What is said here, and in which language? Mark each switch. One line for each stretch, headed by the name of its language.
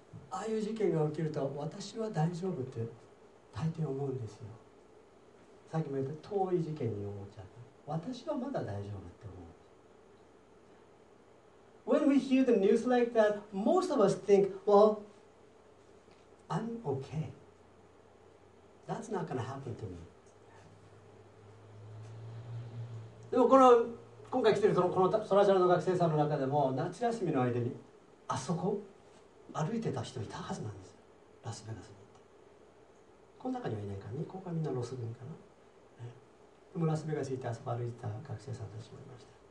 Japanese: ああいう事件が起きると私は大丈夫って大抵思うんですよ。さっきも言った遠い事件に思っちゃった、私はまだ大丈夫って思う。
English: When we hear the news like that, most of us think, well, I'm okayThat's not going to happen to me.
Japanese: でもこの今回来ているこのソラジャラの学生さんの中でも、夏休みの間にあそこ歩いてた人いたはずなんですよ。ラスベガスに行って。この中にはいないからね、ここはみんなロス組かな。でもラスベガス行って遊ば歩いた学生さんたちもいました。